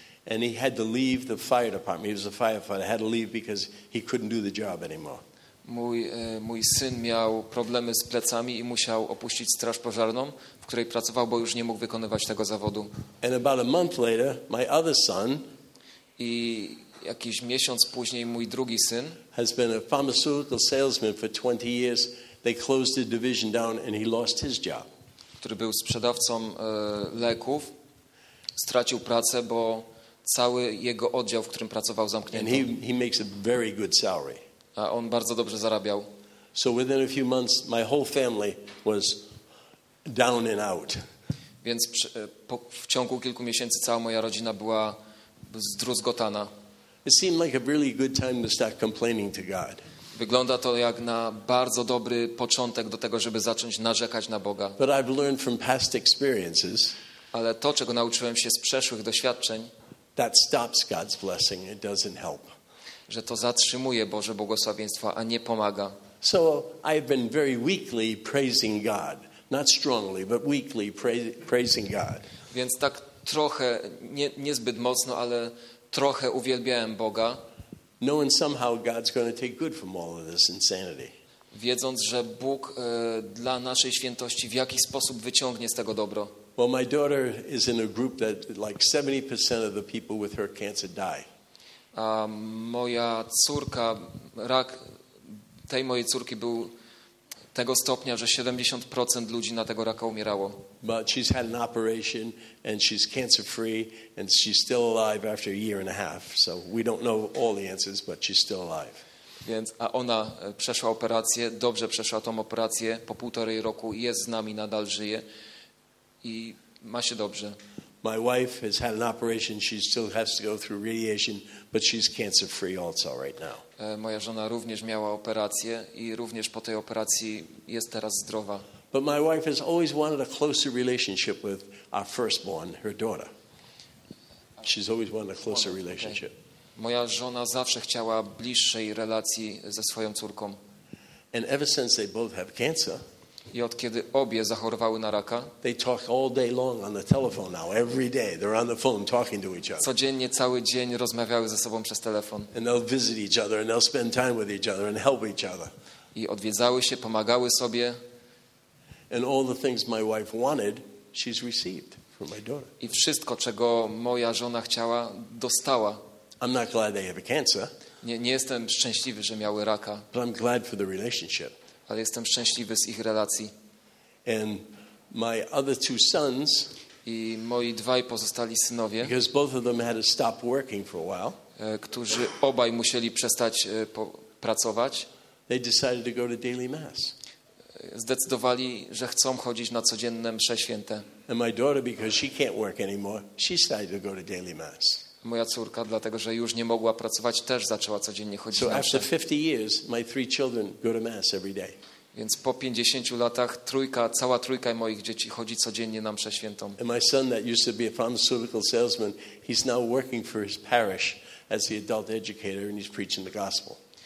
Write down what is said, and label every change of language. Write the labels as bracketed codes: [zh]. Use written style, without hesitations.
[en] And he had to leave the fire department. He was a firefighter. Had to leave because he couldn't do the job anymore. [pl] Mój syn miał problemy z plecami i musiał opuścić straż pożarną, w której pracował, bo już nie mógł wykonywać tego zawodu. [en] And about a month later, my other son, [pl] i jakiś miesiąc później mój drugi syn, [en] has been a pharmaceutical salesman for 20 years. They closed the division down and he lost his job. [pl] Który był sprzedawcą leków, stracił pracę, bo cały jego oddział, w którym pracował, zamknięto. [en] And he makes a very good salary. [pl] A on bardzo dobrze zarabiał. [en] So within a few months my whole family was down and out. [pl] Więc w ciągu kilku miesięcy cała moja rodzina była zdruzgotana. [en] It seemed like a really good time to start complaining to God. [pl] Wygląda to jak na bardzo dobry początek do tego, żeby zacząć narzekać na Boga. [en] But I've learned from past experiences. [pl] Ale to, czego nauczyłem się z przeszłych doświadczeń, [en] that stops God's blessing. It doesn't help. [pl] Że to zatrzymuje Boże błogosławieństwo, a nie pomaga. [en] So I've been very weakly praising God, not strongly, but weakly praising God. [pl] Więc tak trochę, niezbyt mocno, ale trochę uwielbiałem Boga. [en] Knowing somehow God's going to take good from all of this insanity. [pl] Wiedząc, że Bóg dla naszej świętości w jakiś sposób wyciągnie z tego dobro. [en] Well, my daughter is in a group that like 70% of the people with her cancer die. [pl] A moja córka, rak tej mojej córki był tego stopnia, że 70% ludzi na tego raka umierało. [en] But she's had an operation and she's cancer free and she's still alive after a year and a half. So we don't know all the answers, but she's still alive. [pl] Więc a ona przeszła operację, dobrze przeszła tą operację, po półtorej roku jest z nami, nadal żyje i ma się dobrze. [en] My wife has had an operation, she still has to go through radiation, but she's cancer free also right now. [pl] Moja żona również miała operację i również po tej operacji jest teraz zdrowa. [en] But my wife has always wanted a closer relationship with our firstborn, her daughter. She's always wanted a closer relationship. [pl] Moja żona zawsze chciała bliższej relacji ze swoją córką. [en] And ever since they both have cancer, [pl] i od kiedy obie zachorowały na raka, [en] they talk all day long on the telephone now, every day. They're on the phone talking to each other. [pl] Codziennie, cały dzień rozmawiały ze sobą przez telefon. [en] And they'll visit each other and they'll spend time with each other and help each other. [pl] I odwiedzały się, pomagały sobie. [en] And all the things my wife wanted, she's received from my daughter. [pl] I wszystko, czego moja żona chciała, dostała. [en] I'm not glad they have a cancer. [pl] Nie jestem szczęśliwy, że miały raka. [en] But I'm glad for the relationship. [pl] Ale jestem szczęśliwy z ich relacji. [en] And my other two sons, [pl] i moi dwaj pozostali synowie, [en] because both of them had to stop working for a while, [pl] którzy obaj musieli przestać pracować, [en] they decided to go to daily mass. [pl] Zdecydowali, że chcą chodzić na codzienne msze święte. [en] And my daughter, because she can't work anymore, she decided to go to daily mass. [pl] Moja córka, dlatego że już nie mogła pracować, też zaczęła codziennie chodzić na mszę. [en] So after 50 years, my three children go to mass every day. [pl] Więc po 50 latach cała trójka moich dzieci chodzi codziennie na mszę świętą. [en] And my son that used to be a pharmaceutical salesman, he's now working for his parish as the adult educator and he's preaching the gospel.